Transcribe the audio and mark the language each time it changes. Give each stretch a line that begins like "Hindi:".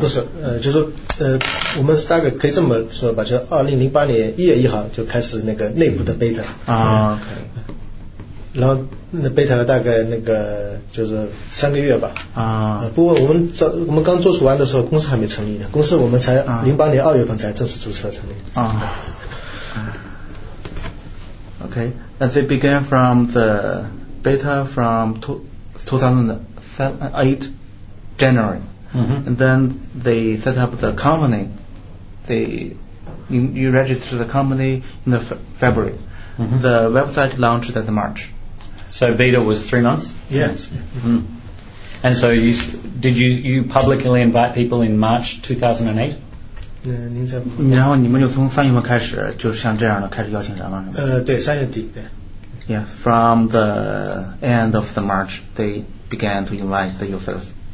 Chinese: 不是，就是我们大概可以这么说吧，就是2008年1月1号就开始那个内部的 beta。啊。然后那 beta 大概那个就是3个月吧。啊。不过我们刚做出完的时候，公司还没成立呢。公司我们才08年2月份才正式注册成立。
English: Okay, and they began from the beta from 2008 January, mm-hmm. and then they set up the company. You registered the company in the February. Mm-hmm. The website launched in March. So beta was 3 months? Yes. Mm-hmm. And so did you publicly invite people in March 2008?
Chinese: 然后你们就从三月份开始，就像这样的开始邀请人了，是吗？对，三月底，对。
English: Yeah, from the end of the March, they began to invite the users.